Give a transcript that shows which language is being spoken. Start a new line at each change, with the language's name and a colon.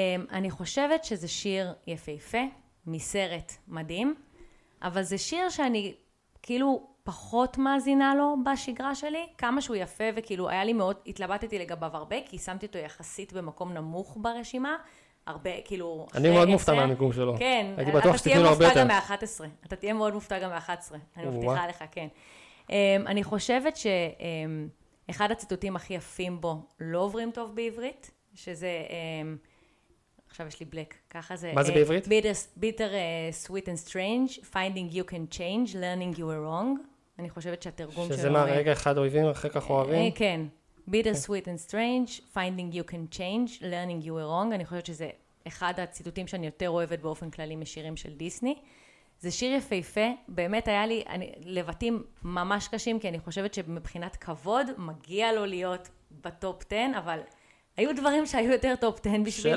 Hebrew: אני חושבת שזה שיר יפהפה, מסרט מדהים, אבל זה שיר שאני כאילו פחות מאזינה לו בשגרה שלי, כמה שהוא יפה וכאילו היה לי מאוד, התלבטתי לגביו הרבה, כי שמתי אותו יחסית במקום נמוך ברשימה, הרבה כאילו... אני מאוד מופתע מהמיקום שלו. כן. הייתי בטוח שתתנו לו הרבה יותר. אתה תהיה מאוד מופתע גם מ-11, אני מבטיחה לך, כן. אני חושבת שאחד הציטוטים הכי יפים בו לא עוברים טוב בעברית, שזה... עכשיו יש לי בלק, ככה זה... מה זה בעברית?
English: Bitter, sweet and strange, finding you can change, learning you were wrong.
Hebrew: אני חושבת שהתרגום שזה מה, רגע אחד אויבים, אחר כך אוהבים? כן.
English: Bitter, sweet and strange, finding you can change, learning you were wrong.
Hebrew: אני חושבת שזה אחד הציטוטים שאני יותר אוהבת באופן כללי משירים של דיסני. זה שיר יפהפה, באמת היה לי לבטים ממש קשים, כי אני חושבת שמבחינת כבוד, מגיע לו להיות בטופ 10, אבל... היו דברים שהיו יותר טופ 10 בשבילי.